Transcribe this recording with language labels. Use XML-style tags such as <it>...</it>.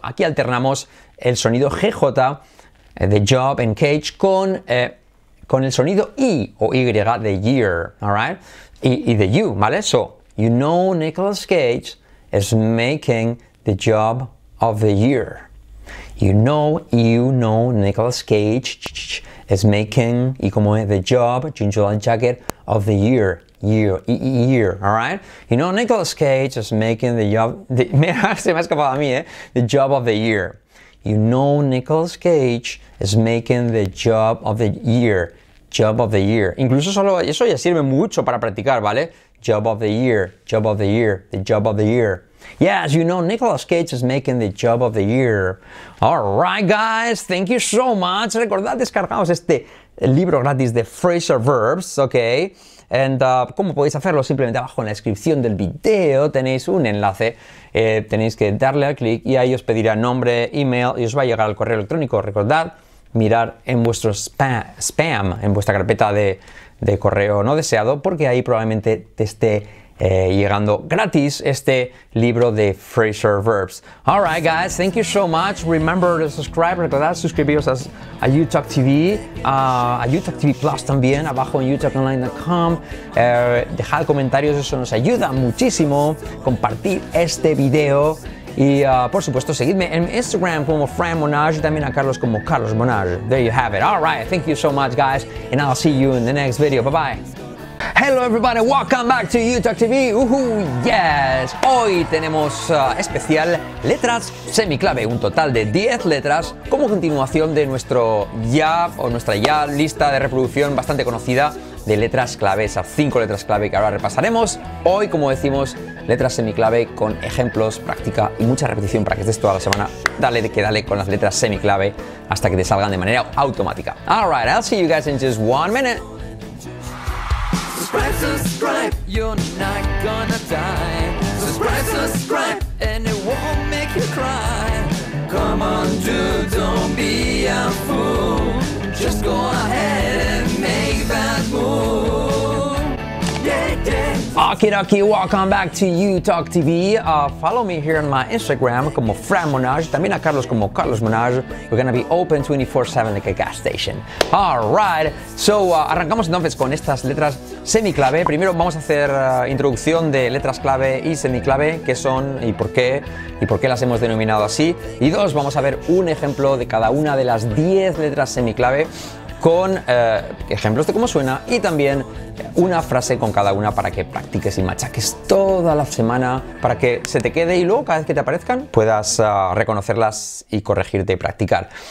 <es>Aquí alternamos el sonido GJ de job en cage con el sonido I o Y de year,</es> <en>all right?</en> <es>Y de you, ¿vale?</es> <en>So, you know Nicolas Cage is making the job of the year. You know Nicolas Cage is making,</en> <es>y como es,</es> <en>the job, Gingerland Jacket, of the year. Year, all right? You know Nicolas Cage is making the job,</en> <es>se me ha escapado a mí,</es> <en>the job of the year. You know Nicolas Cage is making the job of the year. Job of the year.</en> <es>Incluso solo eso ya sirve mucho para practicar, ¿vale?</es> <en>Job of the year, the job of the year. Yes, you know, Nicolas Cage is making the job of the year. All right, guys, thank you so much.</en> <es>Recordad, descargaos este libro gratis de Phrasal Verbs, ¿ok? And, ¿cómo podéis hacerlo? Simplemente abajo en la descripción del video tenéis un enlace. Tenéis que darle al clic y ahí os pedirá nombre, email y os va a llegar al correo electrónico. Recordad, mirar en vuestro spam, en vuestra carpeta de correo no deseado, porque ahí probablemente te esté llegando gratis este libro de Phrasal Verbs.</es> <en>Alright guys, thank you so much. Remember to subscribe,</en> <es>recordad suscribiros a YouTalk TV, a YouTalk TV Plus también, abajo en youtalkonline.com. Dejad comentarios, eso nos ayuda muchísimo. Compartir este video y por supuesto seguidme en Instagram como Fran Monage y también a Carlos como Carlos Monage.</es> <en>There you have it. Alright, thank you so much guys and I'll see you in the next video. Bye bye. Hello everybody, welcome back to YouTalk TV. Yes!</en> <es>Hoy tenemos especial letras semiclave, un total de 10 letras como continuación de nuestra ya lista de reproducción bastante conocida de letras clave, esas 5 letras clave que ahora repasaremos. Hoy, como decimos, letras semiclave con ejemplos, práctica y mucha repetición para que estés toda la semana. Dale con las letras semiclave hasta que te salgan de manera automática.</es> <en>Alright, I'll see you guys in just 1 minute. Subscribe, you're not gonna die. Subscribe, and it won't make you cry. Come on, dude, don't be a fool. Just go ahead and make that move. Yeah. Okie dokie, welcome back to YouTalk TV. Follow me here on my Instagram</en> <es>como Fran Monage, también a Carlos como Carlos Monage.</es> <en>We're gonna be open 24/7 like a gas station. Alright, so</en> <es>arrancamos entonces con estas letras semiclave. Primero vamos a hacer introducción de letras clave y semiclave, qué son y por qué las hemos denominado así. Y dos, vamos a ver un ejemplo de cada una de las 10 letras semiclave con ejemplos de cómo suena y también una frase con cada una para que practiques y machaques toda la semana para que se te quede y luego cada vez que te aparezcan puedas reconocerlas y corregirte y practicar.</es>